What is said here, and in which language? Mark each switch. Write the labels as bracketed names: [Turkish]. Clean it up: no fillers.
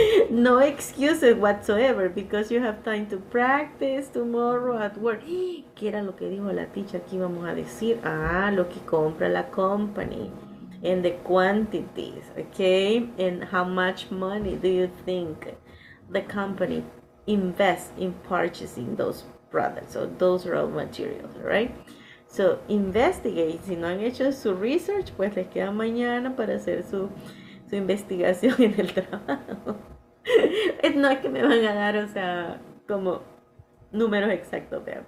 [English] No excuses whatsoever because you have time to practice tomorrow at work. [Spanish] ¿Qué era lo que dijo la teacher? Aquí vamos a decir, ah, lo que compra la company. [English] And the quantities, okay? And how much money do you think the company invests in purchasing those products or those raw materials, right? So investigate. [Spanish] Si no han hecho su research, pues les queda mañana para hacer su, su investigación en el trabajo. No es que me van a dar, o sea, como números exactos, ¿verdad?